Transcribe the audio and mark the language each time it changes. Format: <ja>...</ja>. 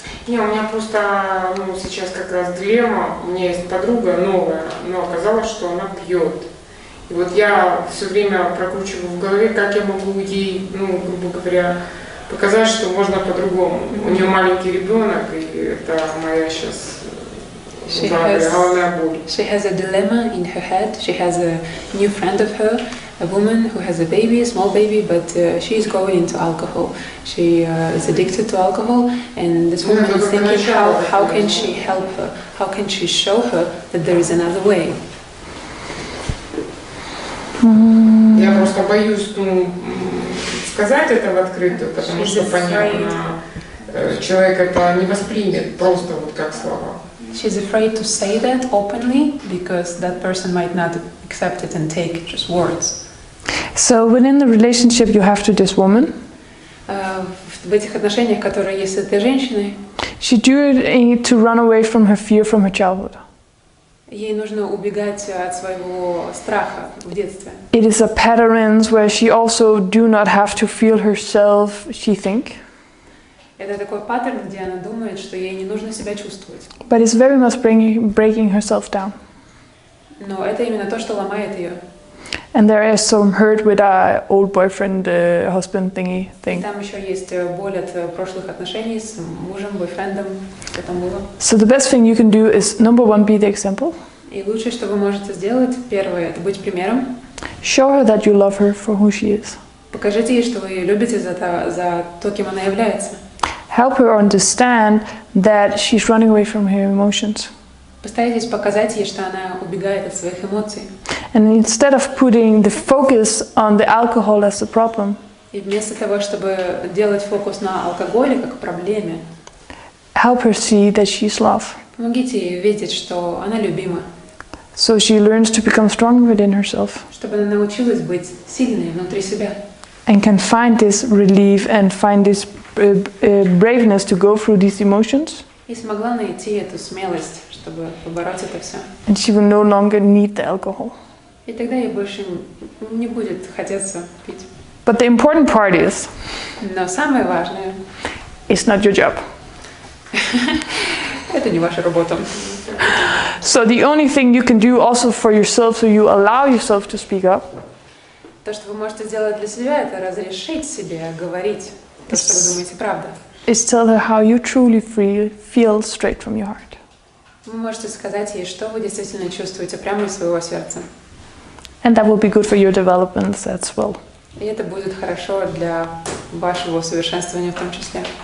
<ru>Не, у меня просто, ну, сейчас как раз дилемма. У меня есть подруга новая, но оказалось, что она пьет. И вот я все время прокручиваю в голове, как я могу ей, ну, грубо говоря, показать, что можно по-другому. Mm-hmm. У нее маленький ребенок, и это моя сейчас главная боль.</ru> <en>She has a dilemma in her head. She has a new friend of her. A woman who has a baby, a small baby, but she is going into alcohol. She is addicted to alcohol, and this woman is thinking, how can she help her? How can she show her that there is another way?</en> <ru>Я просто боюсь, ну, сказать это в открытую, потому что понятно, человек это не воспримет просто вот как слова.</ru> <en>She's afraid to say that openly because that person might not accept it and take it just words. So within the relationship you have to this woman.</en> <ru>В этих отношениях, которые есть с этой женщиной.</ru> <en>She do it to run away from her fear from her childhood.</en> <ru>Ей нужно убегать от своего страха в детстве.</ru> <en>It is a pattern where she also do not have to feel herself, she think.</en> <ru>Это такой паттерн, где она думает, что ей не нужно себя чувствовать.</ru> <en>But it's very much breaking herself down.</en> <ru>Но это именно то, что ломает ее.</ru> <en>And there is some hurt with a old boyfriend, husband thingy thing.</en> <ru>Там еще есть боль от прошлых отношений с мужем, бойфрендом, что было.</ru> <en>So the best thing you can do is number one, be the example.</en> <ru>И лучшее, что вы можете сделать, первое, это быть примером.</ru> <en>Show her that you love her for who she is.</en> <ru>Покажите ей, что вы ее любите за то, кем она является.</ru> <en>Help her understand that she's running away from her emotions.</en> <ru>Постарайтесь показать ей, что она убегает от своих эмоций.</ru> <en>And instead of putting the focus on the alcohol as a problem,</en> <ru>и вместо того, чтобы делать фокус на алкоголе как проблеме,</ru> <en>help her see that she's loved.</en> <ru>Помогите ей видеть, что она любима.</ru> <en>So she learns to become strong within herself.</en> <ru>Чтобы она научилась быть сильной внутри себя.</ru> <en>And can find this relief and find this braveness to go through these emotions.</en> <ru>И смогла найти эту смелость, чтобы побороть это все.</ru> <en>And she will no longer need the alcohol.</en> <ru>И тогда ей больше не будет хотеться пить.</ru> <en>But the important part is.</en> <ru>Но самое важное.</ru> <en>It's not your job.</en> <ru>Это не ваша работа.</ru> <en>So the only thing you can do also for yourself, so you allow yourself to speak up.</en> <ru>То, что вы можете сделать для себя, это разрешить себе говорить то, что вы думаете, правда.</ru> <en>Is tell her how you truly feel straight from your heart.</en> <ru>Вы можете сказать ей, что вы действительно чувствуете прямо из своего сердца.</ru> <en>And that will be good for your development as well.</en> <ru>И это будет хорошо для вашего совершенствования в том числе.</ru>